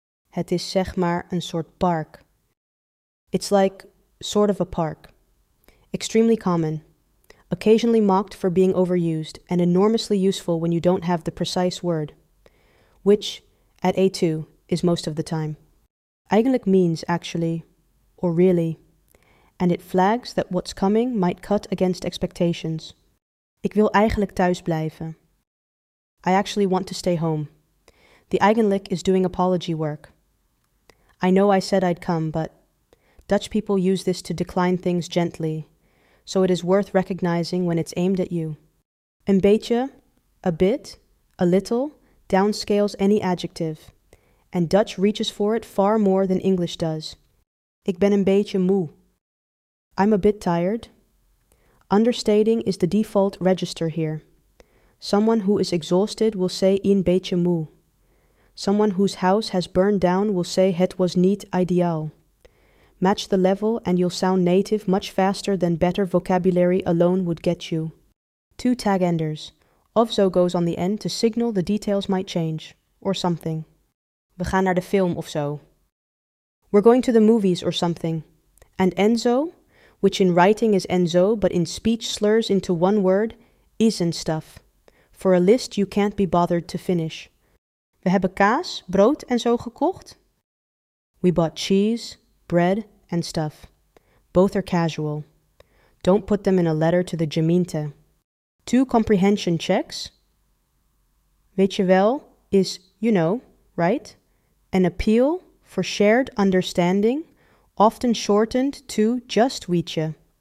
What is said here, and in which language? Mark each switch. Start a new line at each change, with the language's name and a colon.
Dutch: Het is zeg maar een soort park.
English: It's like sort of a park. Extremely common. Occasionally mocked for being overused and enormously useful when you don't have the precise word, which, at A2, is most of the time. Eigenlijk means actually, or really, and it flags that what's coming might cut against expectations.
Dutch: Ik wil eigenlijk thuis blijven.
English: I actually want to stay home. The eigenlijk is doing apology work. I know I said I'd come, but Dutch people use this to decline things gently, so it is worth recognizing when it's aimed at you. Een beetje, a bit, a little, downscales any adjective. And Dutch reaches for it far more than English does.
Dutch: Ik ben een beetje moe.
English: I'm a bit tired. Understating is the default register here. Someone who is exhausted will say
Dutch: een beetje moe.
English: Someone whose house has burned down will say
Dutch: het was niet ideaal.
English: Match the level and you'll sound native much faster than better vocabulary alone would get you. Two tag enders. Of zo goes on the end to signal the details might change. Or something.
Dutch: We gaan naar de film of zo.
English: We're going to the movies or something. And Enzo, which in writing is Enzo but in speech slurs into one word, is and stuff. For a list you can't be bothered to finish.
Dutch: We hebben kaas, brood en zo gekocht.
English: We bought cheese, bread and stuff. Both are casual. Don't put them in a letter to the gemeente. Two comprehension checks.
Dutch: Weet je wel
English: is, you know, right? An appeal for shared understanding, often shortened to just weet je.